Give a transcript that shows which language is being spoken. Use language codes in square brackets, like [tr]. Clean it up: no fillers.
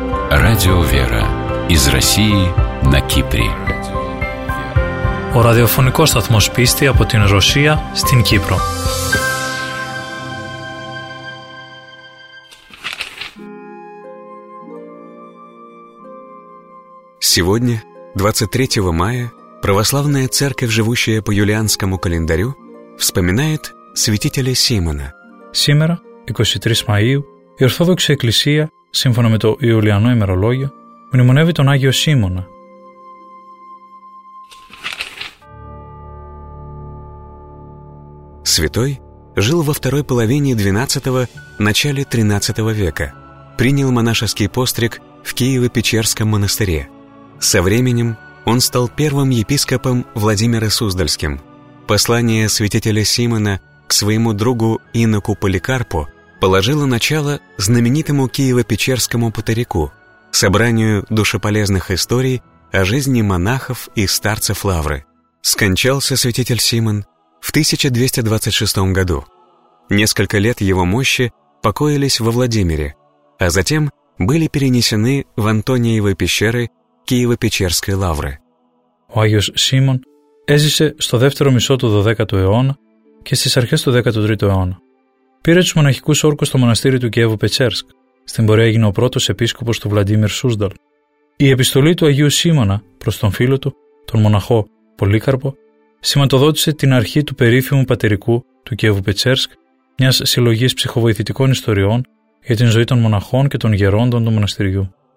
[ru] Радио «Вера» из России на Кипре. [el] Ο ραδιοφωνικός σταθμός πίστη από την Ρωσία στην Κύπρο. [ru] Сегодня, 23 мая, православная церковь, живущая по юлианскому календарю, вспоминает святителя Симона. Сегодня, 23 мая, [el] η Ορθόδοξη Εκκλησία, σύμφωνα με το Ιουλιανό ημερολόγιο, μνημονεύει τον Άγιο Σίμωνα. [ru] Святой жил во второй половине 12-го, начале 13-го века. Принял монашеский постриг в Киево-Печерском монастыре. Со временем он стал первым епископом Владимира Суздальским. Послание святителя Симона к своему другу иноку Поликарпу положило начало знаменитому Киево-Печерскому патриарху, собранию душеполезных историй о жизни монахов и старцев Лавры. Скончался святитель Симон в 1226 году. Несколько лет его мощи покоились во Владимире, а затем были перенесены в Антониевы пещеры Киево-Печерской Лавры. [el] Ο Άγιος Σίμων έζησε στο δεύτερο μισό του 12ου αιώνα και στις αρχές του 13ου αιώνα. Πήρε τους μοναχικούς όρκους στο μοναστήρι του Κιέβου Πετσέρσκ. Στην πορεία έγινε ο πρώτος επίσκοπος του Βλαντίμιρ Σούσδαλ. Η επιστολή του Αγίου Σίμωνα προς τον φίλο του, τον μοναχό Πολύκαρπο, σηματοδότησε την αρχή του περίφημου πατερικού του Κιέβου Πετσέρσκ, μιας συλλογής ψυχοβοηθητικών ιστοριών για την ζωή των μοναχών και των γερόντων του μοναστηριού.